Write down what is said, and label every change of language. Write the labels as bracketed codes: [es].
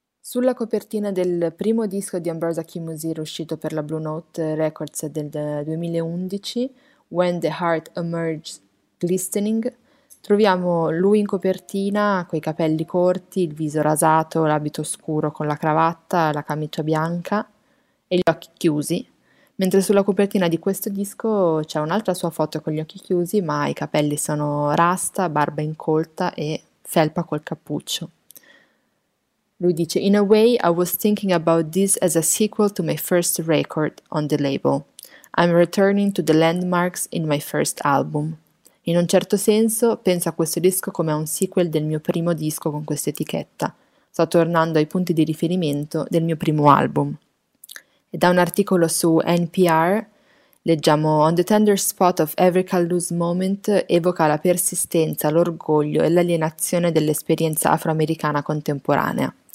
[it] sulla copertina del primo disco di Ambrosia Kimmusier uscito per la Blue Note Records del 2011, When the Heart Emerges Glistening, troviamo lui in copertina, coi capelli corti, il viso rasato, l'abito scuro con la cravatta, la camicia bianca e gli occhi chiusi. Mentre sulla copertina di questo disco c'è un'altra sua foto con gli occhi chiusi, ma i capelli sono rasta, barba incolta e felpa col cappuccio. Lui dice: [en] In a way, I was thinking about this as a sequel to my first record on the label. I'm returning to the landmarks in my first album. [it] In un certo senso, penso a questo disco come a un sequel del mio primo disco con questa etichetta. Sto tornando ai punti di riferimento del mio primo album. E da un articolo su NPR leggiamo: On the tender spot of every callous moment evoca la persistenza, l'orgoglio e l'alienazione dell'esperienza afroamericana contemporanea.